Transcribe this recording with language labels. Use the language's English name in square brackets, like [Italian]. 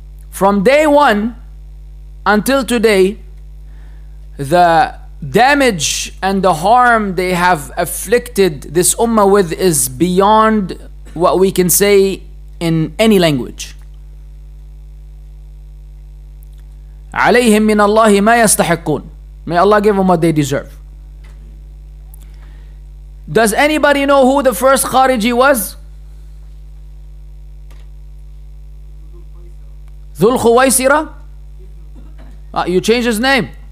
[English] From day one until today, the damage and the harm they have afflicted this ummah with is beyond what we can say in any language. [Arabic] عليهم من الله ما يستحقون. [English] May Allah give them what they deserve. Does anybody know who the first Khariji was? Dhul Khuwaisira? You changed his name.